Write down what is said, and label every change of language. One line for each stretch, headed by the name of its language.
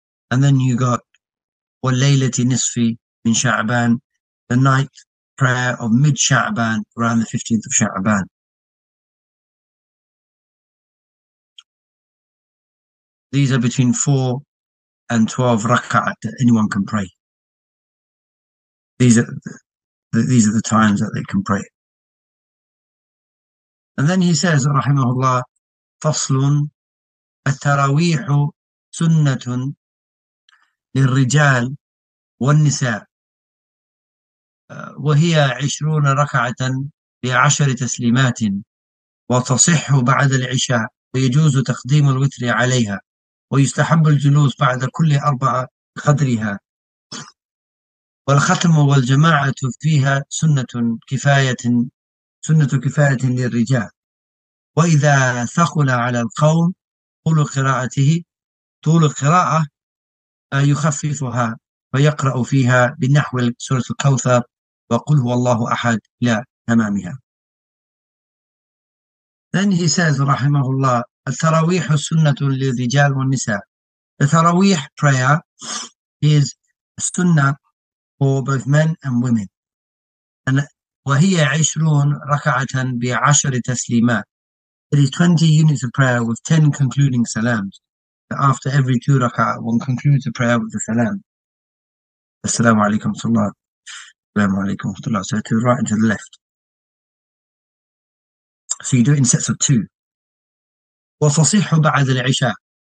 English: And then you got
Arabic: وَاللَّيْلَةِ نِصْفِ مِنْ شَعْبَانِ,
English: the night prayer of mid-Sha'ban, around the 15th of Sha'ban. These are between 4 and 12 rak'at that anyone can pray. These are the times that they can pray. And then he says, rahimahullah,
Arabic: فَصْلٌ التَّرَاوِيحُ سُنَّةٌ للرجال والنساء وهي 20 ركعة بعشر تسليمات وتصح بعد العشاء ويجوز تقديم الوتر عليها ويستحب الجلوس بعد كل 4 قدرها والختم والجماعة فيها سنة كفاية للرجال وإذا ثقل على القوم طول قراءته طول قراءة يخففها ويقرأ فيها بنحو سورة الكوثر وقل هو الله أحد إلى تمامها.
English: Then he says,
Arabic: رحمه الله, التراويح سنة للرجال والنساء.
English: The تراويح prayer is a sunnah for both men and women.
Arabic: And وهي 20 ركعة بعشر تسليمات.
English: It is 20 units of prayer with 10 concluding salams. After every 2 rak'ah, one concludes the prayer with the salam.
Arabic: Assalamu alaikum salam. Assalamu alaikum salam.
English: So to the right and to the left. So you do it in sets of 2.
Arabic: وَتَصِحُ بَعَدَ الْعِشَاءِ.